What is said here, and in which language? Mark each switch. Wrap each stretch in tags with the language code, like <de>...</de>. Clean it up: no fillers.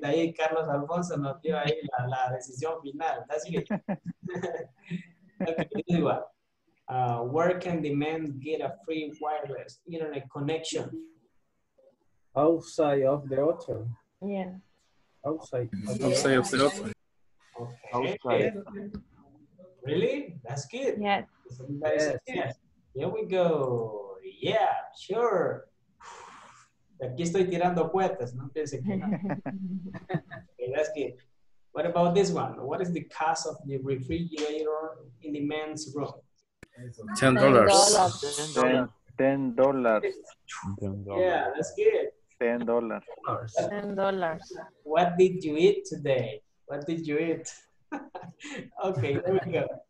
<es>Ahí Carlos Alfonso nos dio ahí la decisión final.</es> <en>That's good. Okay, this one. Where can the men get a free wireless internet connection? Outside of the hotel. Yeah. Outside of the hotel. Okay. Outside. Yeah. Really? That's good. Yeah. Yes. Here we go. Yeah, sure.</en> <es>Aquí estoy tirando puertas, no piense que no.</es> <en>Okay, that's good. What about this one? What is the cost of the refrigerator in the men's room? $10. $10. Yeah, that's good. $10. $10. What did you eat today? What did you eat? Okay, there we go.</en>